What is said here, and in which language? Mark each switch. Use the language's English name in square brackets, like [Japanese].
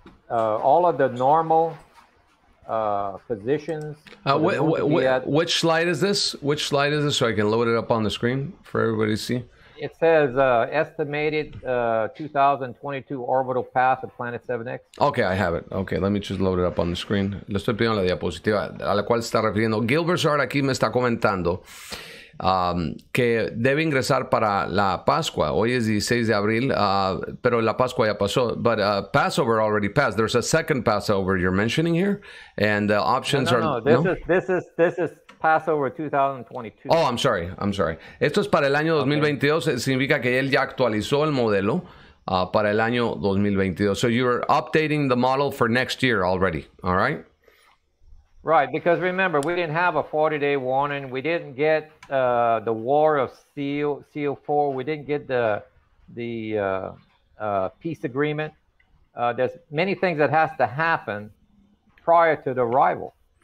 [English] All of the normal positions. Which slide is this? Which slide is this? So I can load it up on the screen for everybody to see. It says estimated 2022 orbital path of planet 7X. Okay, I have it. Okay, let me just load it up on the screen. [Spanish] Le estoy pidiendo la diapositiva a la cual está refiriendo. Gilbert Shar aquí me está comentando que debe ingresar para la Pascua. Hoy es 16 de abril, pero la Pascua ya pasó. [English] But Passover already passed. There's a second Passover you're mentioning here. And the options are... No, this is Passover 2022. Oh, I'm sorry. [Spanish] Esto es para el año 2022. Okay. Significa que él ya actualizó el modelo para el año 2022. [English] So you're updating the model for next year already, all right? Right, because remember, we didn't have a 40-day warning. We didn't get the war of CO4. We didn't get the peace agreement. There's many things that has to happen prior to the arrival.